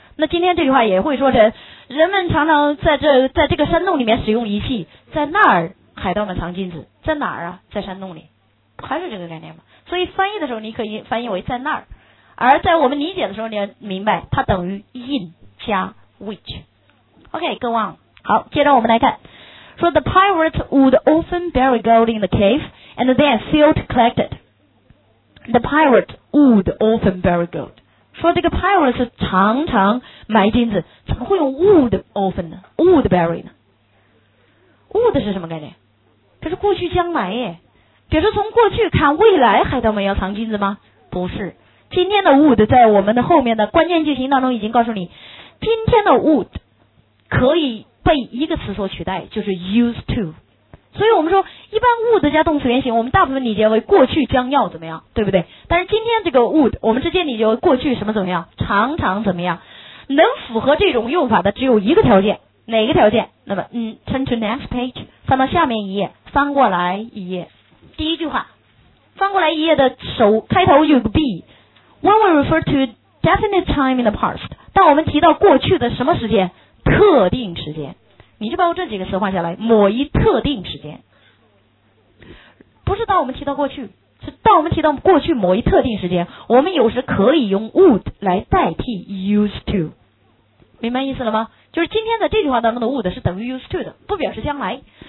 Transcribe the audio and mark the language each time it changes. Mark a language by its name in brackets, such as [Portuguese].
[Chinese] 那今天这句话也会说成，人们常常在这个山洞里面使用仪器，在那儿海盗们藏金子，在哪儿啊？在山洞里，还是这个概念吗？所以翻译的时候你可以翻译为在那儿，而在我们理解的时候你要明白它等于 in 加 which。 [English] OK, go on。 [Chinese] 好，接着我们来看，说 [English] the pirates would often bury gold in the cave and then fail to collect it. The pirates would often bury gold. [Chinese] 说这个 pirates 常常埋金子，怎么会用 [English] would often [Chinese] 呢？ [English] would bury [Chinese] 呢？would 是什么概念？这是过去将来耶，表示从过去看未来海盗们要藏金子吗？不是，今天的 would 在我们的后面的关键句型当中已经告诉你，今天的 would 可以被一个词所取代，就是 [English] used to。 [Chinese] 所以我们说一般 would 加动词原形我们大部分理解为过去将要怎么样，对不对？但是今天这个 would 我们直接理解为过去什么怎么样，常常怎么样。能符合这种用法的只有一个条件，哪个条件？那么 [English] turn to next page， [Chinese] 翻到下面一页，翻过来一页，第一句话，翻过来一页的首开头有个 be。 [English] When we refer to definite time in the past， [Chinese] 当我们提到过去的什么时间？特定时间。你就把我这几个词画下来，某一特定时间，不是当我们提到过去，是当我们提到过去某一特定时间，我们有时可以用 would 来代替 [English] used to， [Chinese] 明白意思了吗？就是今天的这句话当中的 would 是等于 [English] used to [Chinese] 的，不表示将来。